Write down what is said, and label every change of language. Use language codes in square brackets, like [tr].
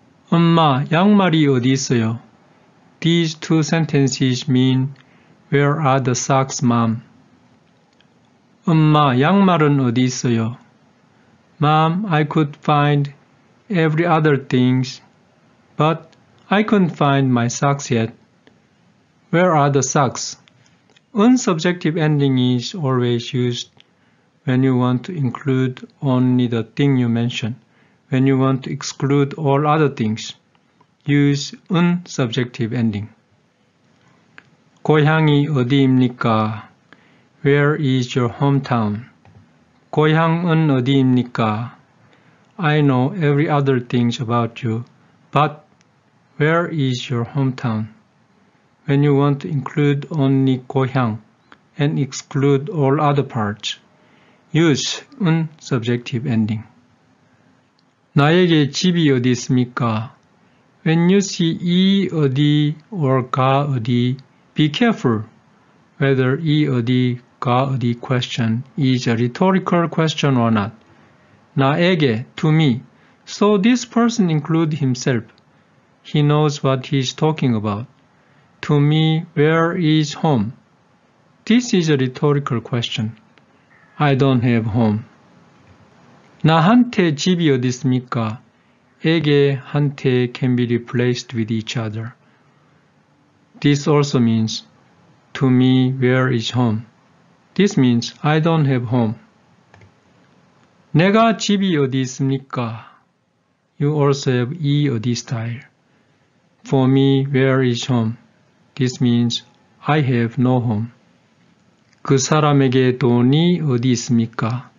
[ko] 엄마, 양말이 어디 있어요? [en] These two sentences mean, Where are the socks, mom? [ko] 엄마, 양말은 어디 있어요? [en] Mom, I could find every other things, but I couldn't find my socks yet. Where are the socks? Unsubjective ending is always used when you want to include only the thing you mention. When you want to exclude all other things, use unsubjective ending. [ko] 고향이 어디입니까? [en] Where is your hometown? [ko] 고향은 어디입니까? [en] I know every other things about you, but Where is your hometown? When you want to include only 고향 and exclude all other parts, use 은 subjective ending. [ko] 나에게 집이 어디 있습니까? [en] When you see 이 어디 or 가 어디, be careful whether 이 어디, 가 어디 question is a rhetorical question or not. 나에게, to me. So this person includes himself. He knows what he is talking about. To me, where is home? This is a rhetorical question. I don't have home. [ko] 나한테 집이 어디 있습니까? [en] 에게, 한테 can be replaced with each other. This also means, to me, where is home? This means, I don't have home. [ko] 내가 집이 어디 있습니까? [en] You also have 이 어디 style. For me, where is home? This means I have no home. [ko] 그 사람에게 돈이 어디 있습니까?